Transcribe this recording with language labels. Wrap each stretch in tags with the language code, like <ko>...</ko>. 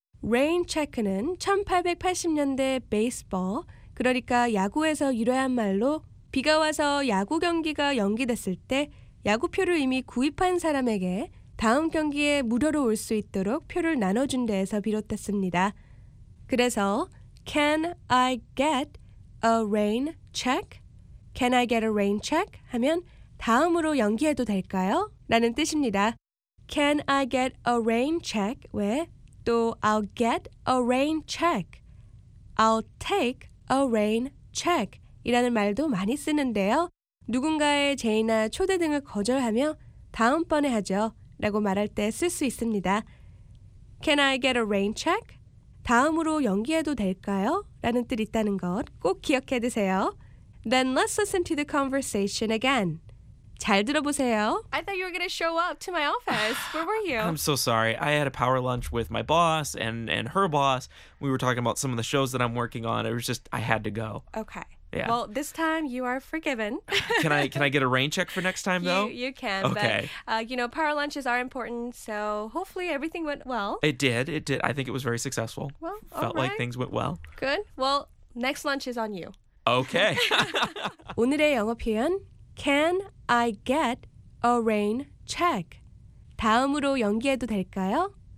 <ko>Rain check는 1880년대 baseball, 그러니까 야구에서 유래한 말로 비가 와서 야구 경기가 연기됐을 때 야구표를 이미 구입한 사람에게 다음 경기에 무료로 올 수 있도록 표를 나눠준 데에서 비롯됐습니다. 그래서</ko> <en>Can I get a rain check? Can I get a rain check?</en> <ko>하면 다음으로 연기해도 될까요? 라는 뜻입니다.</ko> <en>Can I get a rain check?</en> <ko>왜?</ko> <en>또 I'll get a rain check. I'll take a rain check.</en> <ko>이라는 말도 많이 쓰는데요. 누군가의 제의나 초대 등을 거절하며 다음번에 하죠. 라고 말할 때 쓸 수 있습니다.</ko> <en>Can I get a rain check?</en> <ko>다음으로 연기해도 될까요? 라는 뜻 있다는 것 꼭 기억해 두세요.</ko> <en>Then let's listen to the conversation again.</en> <ko>잘 들어보세요.</ko> <en>I thought you were going to show up to my office. Where were you? I'm so sorry. I had a power lunch with my boss and her boss. We were talking about some of the shows that I'm working on. It was just, I had to go. Okay. Yeah. Well, this time you are forgiven. can I get a rain check for next time, though? You can. Okay. But, you know, power lunches are important, so hopefully everything went well. It did. I think it was very successful. Well, all right. Felt like things went well. Good. Well, next lunch is on you. Okay.</en> <ko>오늘의 영어 표현,</ko> <en>Can I get a rain check?</en> <ko>다음으로 연기해도 될까요?</ko>